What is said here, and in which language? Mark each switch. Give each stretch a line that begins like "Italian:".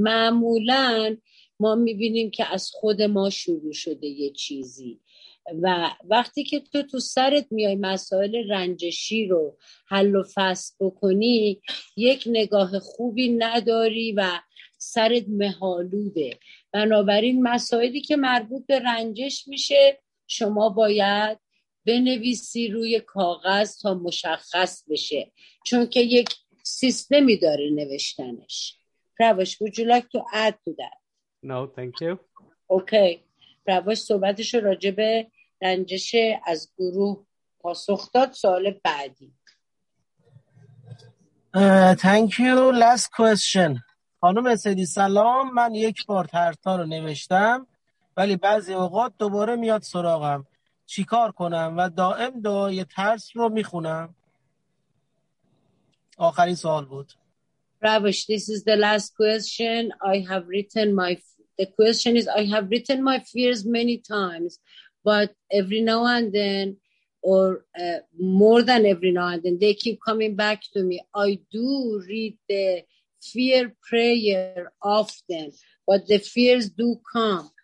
Persian: معمولا ما میبینیم که از خود ما شروع شده یه چیزی، و وقتی که تو سرت میای مسائل رنجشی رو حل و فصل بکنی، یک نگاه خوبی نداری و سرت مهالوده. بنابراین مسائلی که مربوط به رنجش میشه شما باید بنویسی روی کاغذ تا مشخص بشه، چون که یک سیستمی داره نوشتنش.
English: رواش would you like to add to that? No, thank you. Okay.
Persian: رواش صحبتش راجع به رنجش از گروه پاسخ داد. سوال بعدی.
English: Thank you. Last question.
Persian: خانم سیدی سلام، من یک بار ترتا رو نوشتم ولی بعضی اوقات دوباره میاد سراغم، چیکار کنم و دائم دعای ترس رو میخونم؟ آخرین سوال بود.
English: Ravish, this is the last question. I have written my fears many times, but every now and then, more than every now and then, they keep coming back to me. I do read the fear prayer often, but the fears do come.